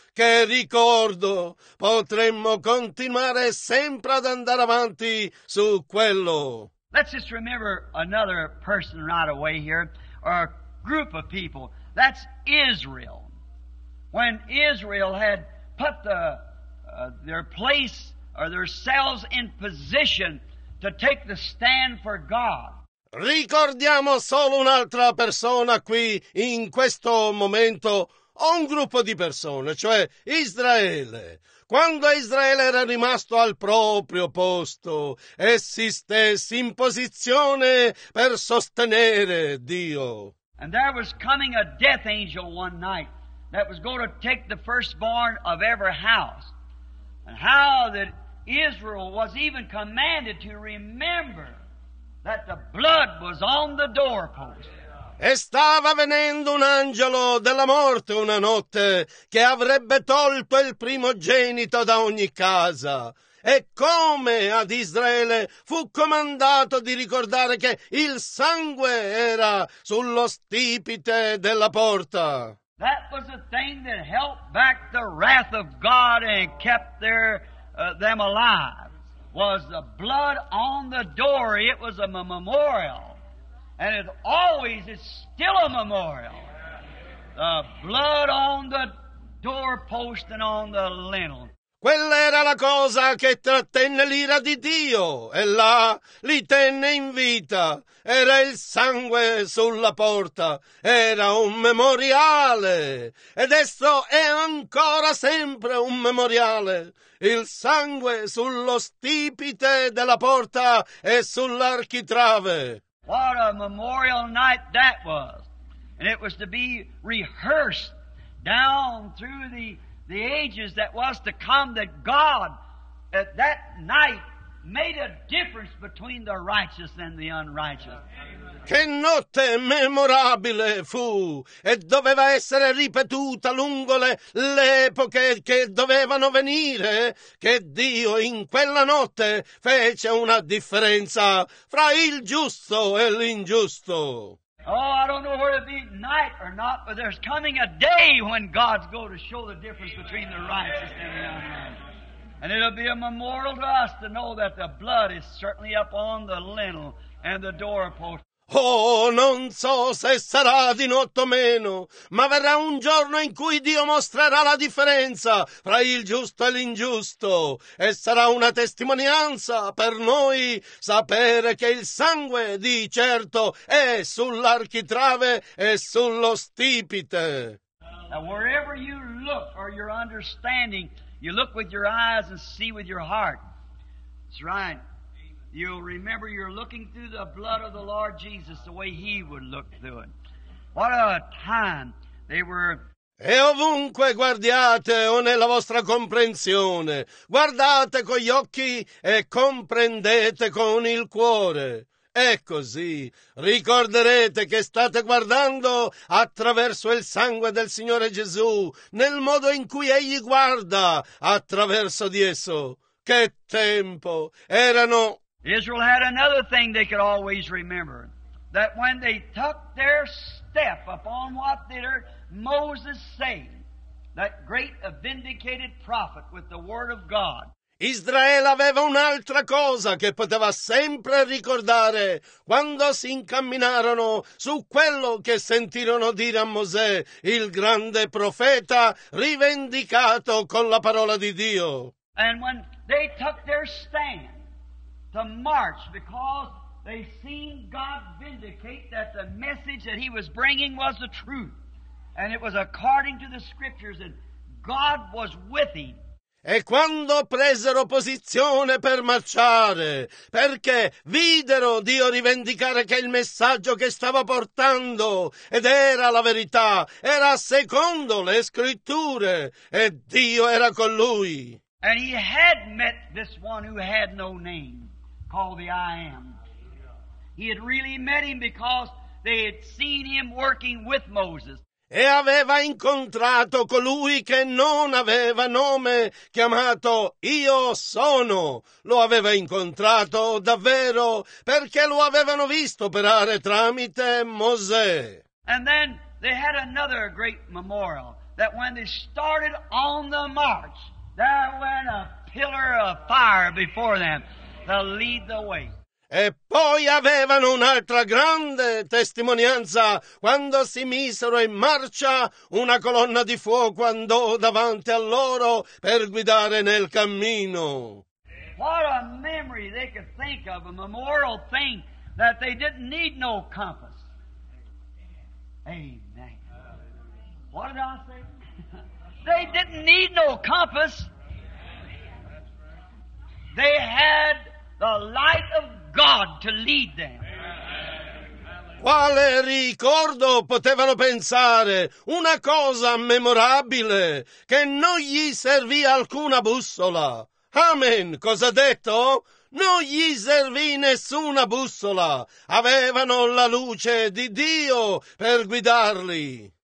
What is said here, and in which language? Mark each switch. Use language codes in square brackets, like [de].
[it] Che ricordo, potremmo continuare sempre ad andare avanti su quello. [en] Let's just remember another person right away here, or a group of people. That's Israel. When Israel had put their place or their selves in position to take the stand for God. [it] Ricordiamo solo un'altra persona qui in questo momento, o un gruppo di persone, cioè Israele. Quando Israele era rimasto al proprio posto, essi stessi in posizione per sostenere Dio. [en] And there was coming a death angel one night that was going to take the firstborn of every house. And how that Israel was even commanded to remember that the blood was on the doorpost. [it] E stava venendo un angelo della morte una notte che avrebbe tolto il primogenito da ogni casa. E come ad Israele fu comandato di ricordare che il sangue era sullo stipite della porta. [en] That was the thing that held back the wrath of God and kept them alive, was the blood on the door. It was a memorial, and it always is still a memorial. The blood on the doorpost and on the lintel. [it] Quella era la cosa che trattenne l'ira di Dio e là li tenne in vita. Era il sangue sulla porta, era un memoriale. Ed esso è ancora sempre un memoriale. Il sangue sullo stipite della porta e sull'architrave. [en] What a memorial night that was. And it was to be rehearsed down through the ages that was to come, that God at that night made a difference between the righteous and the unrighteous. Amen. [it] Che notte memorabile fu e doveva essere ripetuta lungo le epoche che dovevano venire, che Dio in quella notte fece una differenza fra il giusto e l'ingiusto. [en] Oh, I don't know whether it be night or not, but there's coming a day when God's going to show the difference between the righteous and the unrighteous. And it'll be a memorial to us to know that the blood is certainly up on the lintel and the doorpost. [it] Oh, non so se sarà di notte o meno, ma verrà un giorno in cui Dio mostrerà la differenza fra il giusto e l'ingiusto, e sarà una testimonianza per noi sapere che il sangue di certo è sull'architrave e sullo stipite. [en] Now, wherever you look or your understanding, you look with your eyes and see with your heart. That's right. You'll remember you're looking through the blood of the Lord Jesus the way He would look through it. What a time they were. [it] E ovunque guardiate o nella vostra comprensione, guardate con gli occhi e comprendete con il cuore. E così ricorderete che state guardando attraverso il sangue del Signore Gesù, nel modo in cui Egli guarda attraverso di esso. Che tempo! Erano. [en] Israel had another thing they could always remember, that when they took their step upon what did Moses say, that great vindicated prophet with the word of God. [it] Israele aveva un'altra cosa che poteva sempre ricordare quando si incamminarono su quello che sentirono dire a Mosè, il grande profeta rivendicato con la parola di Dio. [en] And when they took their stand, the march, because they seen God vindicate that the message that He was bringing was the truth, and it was according to the Scriptures, and God was with Him. [it] E quando presero posizione per marciare, perché videro Dio rivendicare che il messaggio che stava portando ed era la verità, era secondo le Scritture, e Dio era con lui. [en] And He had met this one who had no name, called the I Am. He had really met Him because they had seen Him working with Moses. [it] E aveva incontrato colui che non aveva nome, chiamato Io Sono. Lo aveva incontrato davvero perché lo avevano visto operare tramite Mosè. [en] And then they had another great memorial, that when they started on the march, there went a pillar of fire before them to lead the way. [it] E poi avevano un'altra grande testimonianza quando si misero in marcia, una colonna di fuoco andò davanti a loro per guidare nel cammino. [en] What a memory they could think of, a memorial thing that they didn't need no compass. Amen. What did I say? They didn't need no compass. They had the light of God to lead them. Amen. [it] Quale ricordo potevano pensare? Una cosa memorabile, che non gli servì alcuna bussola. Amen. Cosa detto? Non gli servì nessuna bussola. Avevano la luce di Dio per guidarli.